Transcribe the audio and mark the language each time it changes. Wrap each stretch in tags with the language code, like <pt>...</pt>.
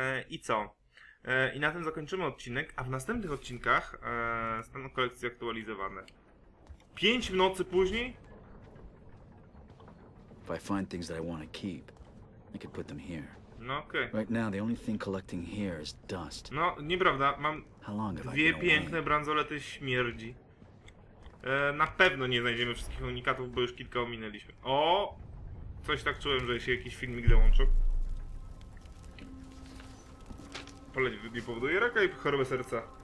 <pl>I co? I na tym zakończymy odcinek, a w następnych odcinkach staną kolekcje aktualizowane. 5 w nocy później?</pl> <en>If I find things that I want to keep, I could put them here. No, okay. Right now, the only thing collecting here is dust.</en> <pl>No, nieprawda. Mam dwie piękne bransolety śmierdzi. Na pewno nie znajdziemy wszystkich unikatów, bo już kilka ominęliśmy. O! Coś tak czułem, że się jakiś filmik dołączył. Polenie nie powoduje raka i choroby serca.</pl>